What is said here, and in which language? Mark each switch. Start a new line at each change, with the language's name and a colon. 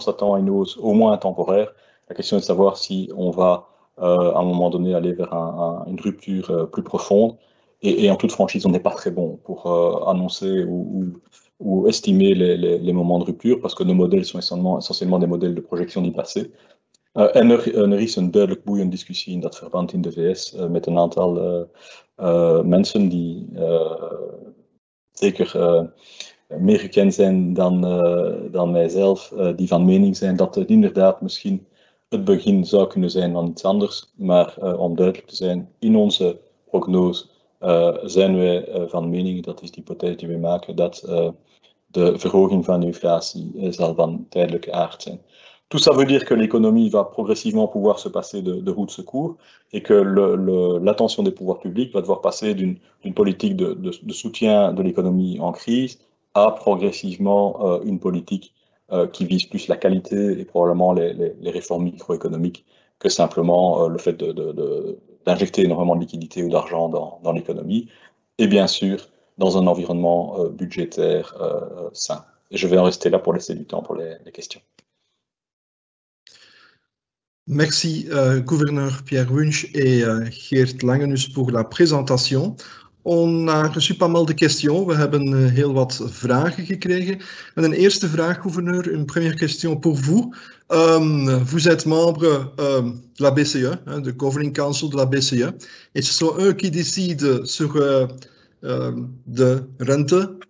French: On s'attend à une hausse au moins temporaire. La question est de savoir si on va à un moment donné aller vers une rupture plus profonde. Et en toute franchise, on n'est pas très bon pour annoncer ou estimer les moments de rupture, parce que nos modèles sont essentiellement des modèles de projection du passé.
Dutch: En er is een duidelijk boeiende discussie in dat verband in de VS met een aantal mensen die zeker meer gekend zijn dan mijzelf, die van mening zijn dat het inderdaad misschien het begin zou kunnen zijn van iets anders. Maar om duidelijk te zijn, in onze prognose zijn wij van mening, dat is de hypothese die we maken, dat de verhoging van de inflatie zal van tijdelijke aard zijn.
French: Tout ça veut dire que l'économie va progressivement pouvoir se passer de roues de secours et que l'attention des pouvoirs publics va devoir passer d'une politique de soutien de l'économie en crise à progressivement une politique qui vise plus la qualité et probablement les réformes microéconomiques que simplement le fait d'injecter énormément de liquidités ou d'argent dans l'économie et bien sûr dans un environnement budgétaire sain. Et je vais en rester là pour laisser du temps pour les questions. Merci, gouverneur Pierre Wunsch et Geert Langenus, pour la présentation. On a reçu pas mal de questions.
Dutch: We hebben heel wat vragen gekregen. En een eerste vraag,
French: gouverneur, une première question pour vous. Vous êtes membre de la BCE, hein, de Governing Council de la BCE, et ce sont eux qui décident sur
Dutch: de rente.